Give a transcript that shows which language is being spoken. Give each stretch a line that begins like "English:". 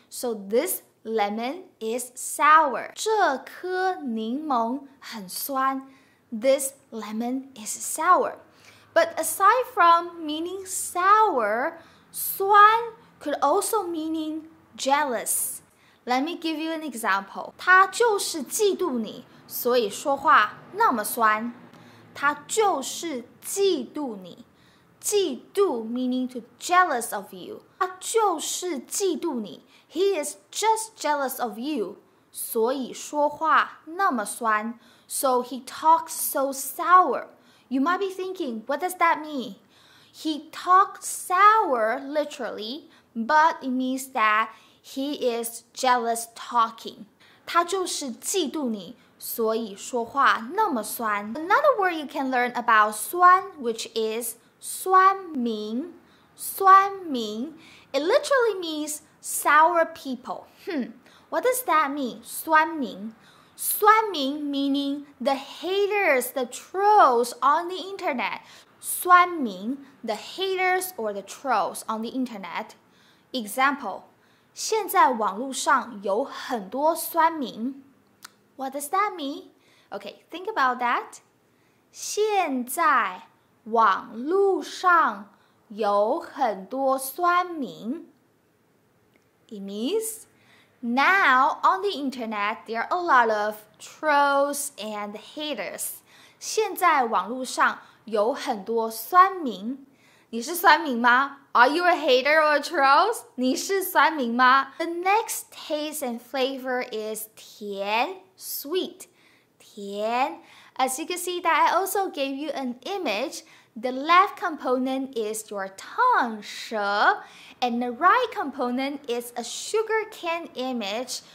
English: So this lemon is sour.
Chinese: 这颗柠檬很酸。
English: This lemon is sour. But aside from meaning sour, 酸 could also meaning jealous. Let me give you an example.
Chinese: 他就是嫉妒你，所以说话那么酸。他就是嫉妒你。嫉妒
English: meaning to jealous of you.
Chinese: 他就是嫉妒你。
English: He is just jealous of you.
Chinese: 所以说话那么酸。
English: So he talks so sour. You might be thinking, what does that mean? He talks sour literally, but it means that he is jealous talking.
Chinese: 他就是嫉妒你，所以说话那么酸。
English: Another word you can learn about 酸, which is 酸民。酸民, it literally means sour people. What does that mean? 酸民。酸民 meaning the haters, the trolls on the internet. 酸民, the haters or the trolls on the internet. Example.
Chinese: 现在网络上有很多酸民。
English: What does that mean? Okay, think about that.
Chinese: 现在网络上有很多酸民。
English: It means, now on the internet, there are a lot of trolls and haters.
Chinese: 现在网络上有很多酸民。你是酸民吗?
English: Are you a hater or a troll?
Chinese: 你是酸民吗?
English: The next taste and flavor is 甜, sweet.
Chinese: 甜.
English: As you can see that I also gave you an image, the left component is your tongue, 舌, and the right component is a sugar cane image.